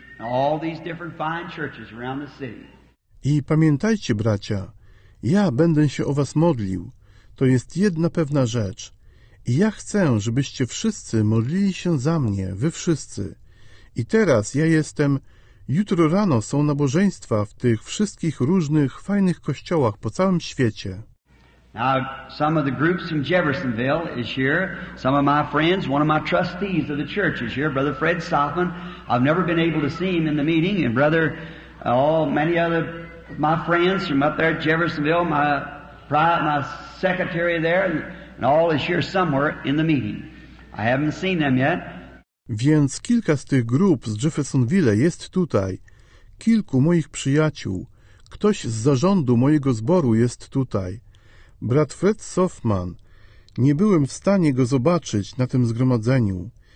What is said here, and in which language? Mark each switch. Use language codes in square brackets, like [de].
[en] All these different fine churches around the city. [pl] I pamiętajcie, bracia, ja będę się o was modlił. To jest jedna pewna rzecz. I ja chcę, żebyście wszyscy modlili się za mnie, wy wszyscy. I teraz ja jestem... Jutro rano są nabożeństwa w tych wszystkich różnych, fajnych kościołach po całym świecie. [en] Now, some of the groups from Jeffersonville is here. Some of my friends, one of my trustees of the church is here, Brother Fred Soffman. I've never been able to see him in the meeting. And Brother, many other my friends from up there at Jeffersonville, my secretary there, and all is here somewhere in the meeting. I haven't seen them yet. [pl] Więc kilka z tych grup z Jeffersonville jest tutaj, kilku moich przyjaciół, ktoś z zarządu mojego zboru jest tutaj. Brat Fred Soffman, nie byłem w stanie go zobaczyć na tym zgromadzeniu.